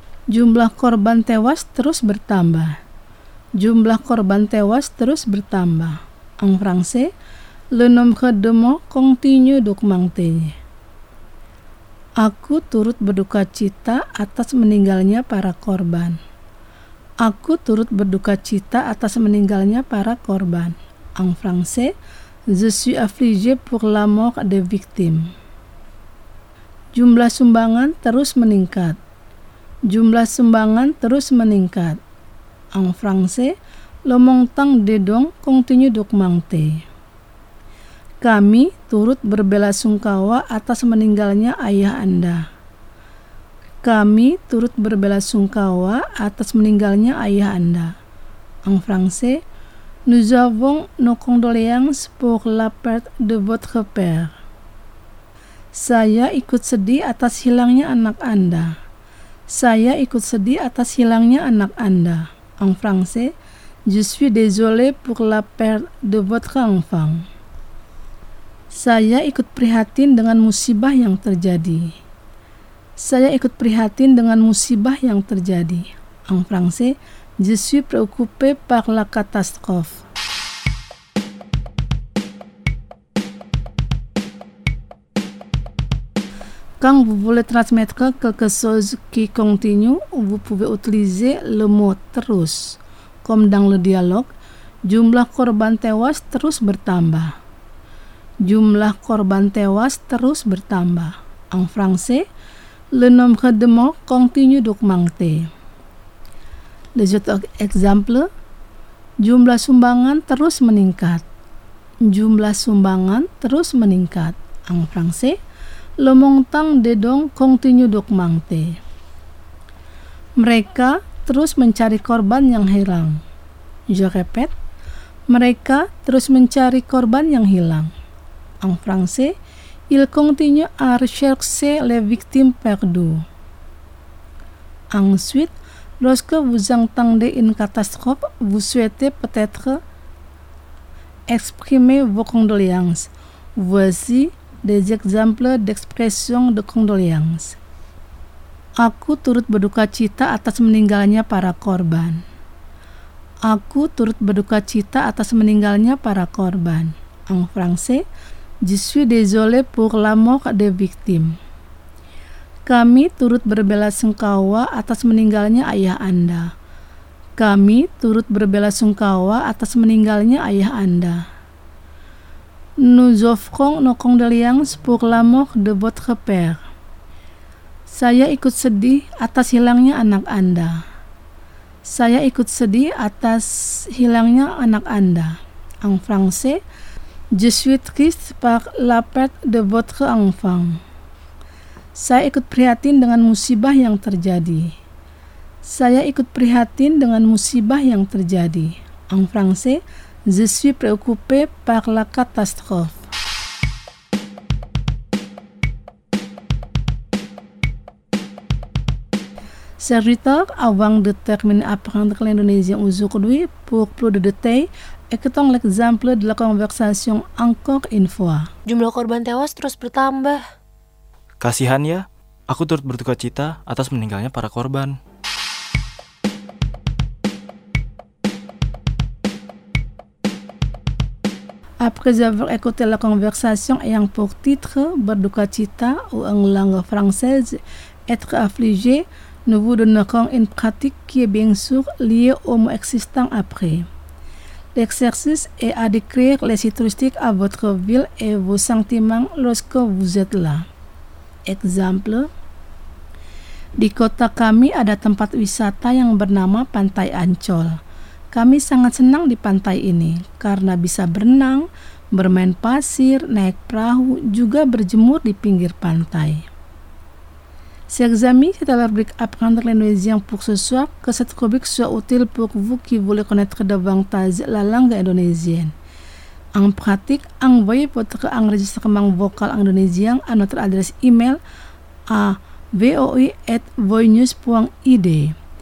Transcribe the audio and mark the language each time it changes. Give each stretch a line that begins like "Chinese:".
Indonesian: Jumlah korban tewas terus bertambah. Jumlah korban tewas terus bertambah.
French: En français, le nombre de morts continue d'augmenter.
Indonesian: Aku turut berduka cita atas meninggalnya para korban. Aku turut berduka cita atas meninggalnya para korban.
French: En français, je suis affligé pour la mort des victimes.
Indonesian: Jumlah sumbangan terus meningkat. Jumlah sumbangan terus meningkat.
French: En français, le montant des dons continue d'augmenter.
Indonesian: Kami turut berbelasungkawa atas meninggalnya ayah Anda. Kami turut berbelasungkawa atas meninggalnya ayah Anda.
French: En français, nous avons nos condoléances pour la perte de votre père.
Indonesian: Saya ikut sedih atas hilangnya anak Anda. Saya ikut sedih atas hilangnya anak Anda.
French: En français, je suis désolé pour la perte de votre enfant.
Indonesian: Saya ikut prihatin dengan musibah yang terjadi. Saya ikut prihatin dengan musibah yang terjadi.
French: En français, je suis préoccupé par la catastrophe. Quand vous voulez transmettre quelque chose qui continue, vous pouvez utiliser le mot terus. Comme dans le dialogue,
Indonesian: jumlah korban tewas terus bertambah. Jumlah korban tewas terus bertambah.
French: En français, le nombre de morts continue d'augmenter. Les autres exemples,
Indonesian: jumlah sumbangan terus meningkat. Jumlah sumbangan terus meningkat.
French: En français, le montant des dons continue d'augmenter.
Indonesian: Mereka terus mencari korban yang hilang.
French: Je répète,
Indonesian: mereka terus mencari korban yang hilang.
French: En français, il continue à rechercher les victimes perdues. Ensuite, lorsque vous entendez une catastrophe, vous souhaitez peut-être exprimer vos condoléances. Voici des exemples d'expressions de condoléances.
Indonesian: Aku turut berduka cita atas meninggalnya para korban. Aku turut berduka cita atas meninggalnya para korban.
French: En français, je suis désolé pour la mort des victimes.
Indonesian: Kami turut berbelasungkawa atas meninggalnya ayah Anda. Kami turut berbelasungkawa atas meninggalnya ayah Anda.
French: Nous offrons nos condoléances pour la mort de votre père.
Indonesian: Saya ikut sedih atas hilangnya anak Anda. Saya ikut sedih atas hilangnya anak Anda.
French: En français, je suis triste par la perte de votre enfant.
Indonesian: Saya ikut prihatin dengan musibah yang terjadi. Saya ikut prihatin dengan musibah yang terjadi.
French: En français, je suis préoccupé par la catastrophe. Serviteur, avant de terminer apprendre l'indonésien aujourd'hui, pour plus de détails, écoutons l'exemple de la conversation encore une fois.
Indonesian: Jumlah korban tewas terus bertambah. Kasihan ya, aku turut berduka cita atas meninggalnya para korban.
French: Après avoir écouté la conversation ayant pour titre
Indonesian: Berduka Cita
French: ou en langue française Être affligé, nous vous donnerons une pratique qui est bien sûr liée au mot existant après. L'exercice est à décrire les sites touristiques à votre ville et vos sentiments lorsque vous êtes là.
Indonesian: Exemple: Di kota kami ada tempat wisata yang bernama Pantai Ancol. Kami sangat senang di pantai ini karena bisa berenang, bermain pasir, naik perahu, juga berjemur di pinggir pantai.
French: Chers amis, c'est à la rubrique Apprendre l'indonésien pour ce soir que cette rubrique soit utile pour vous qui voulez connaître davantage la langue indonésienne. En pratique, envoyez votre enregistrement vocal indonésien à notre adresse email à voi@voinews.id.